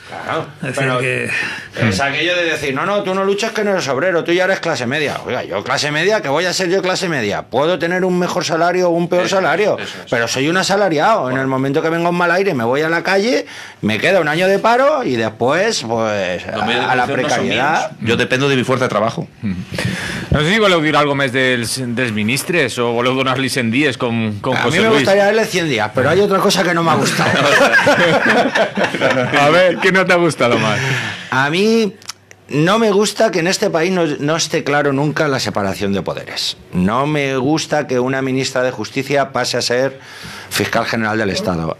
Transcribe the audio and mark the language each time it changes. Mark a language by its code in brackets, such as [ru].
[es] Claro, es aquello de decir, no, tú no luchas, que no eres obrero, tú ya eres clase media. Oiga, yo clase media, ¿qué voy a ser yo clase media? Puedo tener un mejor salario o un peor salario, pero soy un asalariado. Bueno. En el momento que vengo en mal aire, me voy a la calle, me queda un año de paro y después, pues, a la precariedad. No, yo dependo de mi fuerza de trabajo. [ca] No sé si voleu dir algo més dels ministres o voleu donar-li 100 dies com José Luis. [es] A mi me gustaría darle 100 días, pero hay otra cosa que no me ha gustado. A ver, ¿qué no te ha gustado más? A mí No me gusta que en este país no esté claro nunca la separación de poderes. No me gusta que una ministra de Justicia pase a ser fiscal general del Estado.